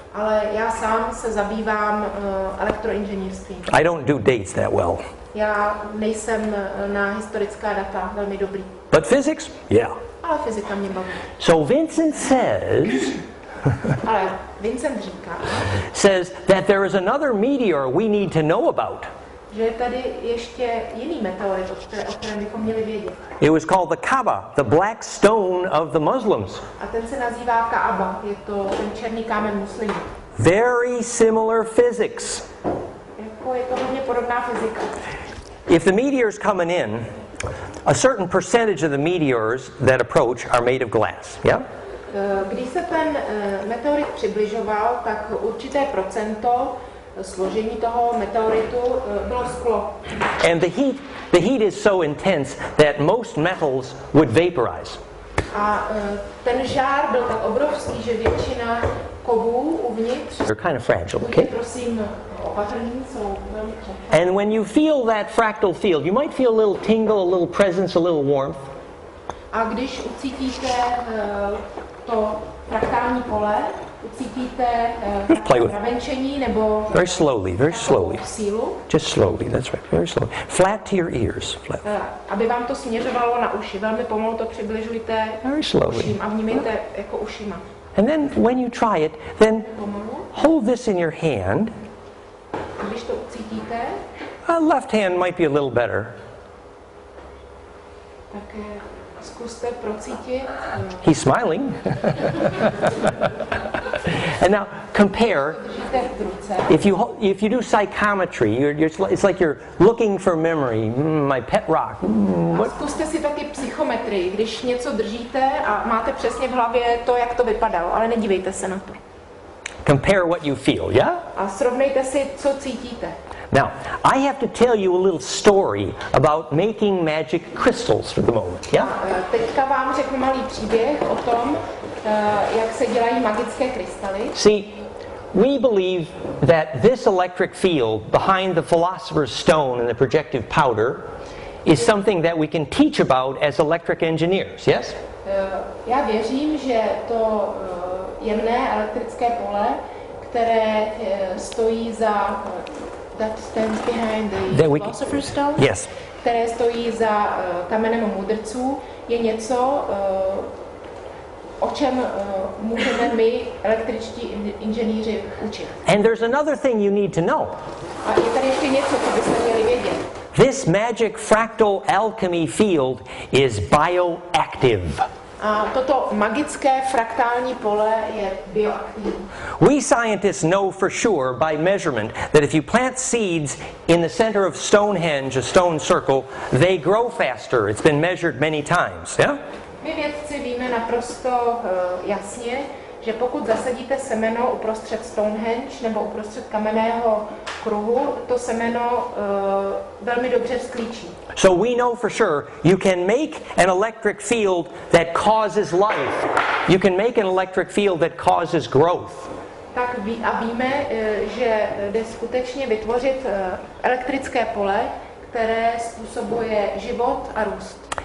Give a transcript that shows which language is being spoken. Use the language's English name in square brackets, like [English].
[Czech] Ale já sám se zabývám elektroinženýrstvím. [English] I don't do dates that well. [Czech] Já nejsem na historická data velmi dobrý. [English] But physics? Yeah. [Czech] Ale fyzika mě baví. [English] So Vincent says. [Czech] Ale Vincent říká. [English] Says that there is another meteor we need to know about. [Czech] Že tady ještě jiný meteorit, o kterém bychom měli vědět. [English] It was called the Kaaba, the black stone of the Muslims. [Czech] A ten se nazývá Kaaba, je to ten černý kámen muslimů. [English] Very similar physics. [Czech] Jako je to hodně podobná fyzika. [English] If the meteor's coming in, a certain percentage of the meteors that approach are made of glass, yeah? [Czech] Když se ten meteorit přibližoval, tak určité procento složení toho meteoritu bylo sklo. [English] And the heat is so intense that most metals would vaporize. [Czech] A ten žár byl tak obrovský, že většina kovů uvnitř. [English] They're kind of fragile, okay? [Czech] Prosím, opatrný, jsou velmi křehké. [English] And when you feel that fractal field, you might feel a little tingle, a little presence, a little warmth. [Czech] A když ucítíte to fraktální pole, ucítíte navenčení nebo [English] very slowly, very slowly. [Czech] Sílu? [English] Just slowly, that's right, very slowly. Flat to your ears. Flat. [Czech] Aby vám to směřovalo na uši, velmi pomalu to přibližujte [English] very slowly. [Czech] Uším a vnímejte jako ušima. [English] And then when you try it, then hold this in your hand. [Czech] Když to ucítíte, [English] a left hand might be a little better. [Czech] Tak zkuste procítit. [English] He's smiling. And now compare. If you do psychometry, it's like you're looking for memory. My pet rock. [Czech] A zkuste si taky psychometrii, když něco držíte a máte přesně v hlavě to, jak to vypadalo, ale nedívejte se na to. [English] Compare what you feel, yeah? [Czech] A srovnejte si, co cítíte. [English] Now, I have to tell you a little story about making magic crystals for the moment, yeah? [Czech] Teďka vám řeknu malý příběh o tom, jak se dělají magické krystaly. [English] See, we believe that this electric field behind the philosopher's stone and the projective powder is something that we can teach about as electric engineers, yes? [Czech] Já věřím, že to jemné elektrické pole, které stojí za [English] that stands behind the philosopher's stone, yes. [Czech] Které stojí za kamenem mudrců, je něco, o čem můžeme my električtí inženýři učit. [English] And there's another thing you need to know. [Czech] A je tady ještě něco, co byste měli vědět. [English] This magic fractal alchemy field is bioactive. [Czech] A toto magické fraktální pole je bioaktivní. [English] We scientists know for sure by measurement that if you plant seeds in the center of Stonehenge, a stone circle, they grow faster. It's been measured many times, yeah? [Czech] My vědci víme naprosto jasně, že pokud zasadíte semeno uprostřed Stonehenge nebo uprostřed kamenného kruhu, to semeno velmi dobře vzklíčí. [English] So we know for sure you can make an electric field that causes life. You can make an electric field that causes growth. [Czech] Tak víme, že jde skutečně vytvořit elektrické pole, které způsobuje život a růst.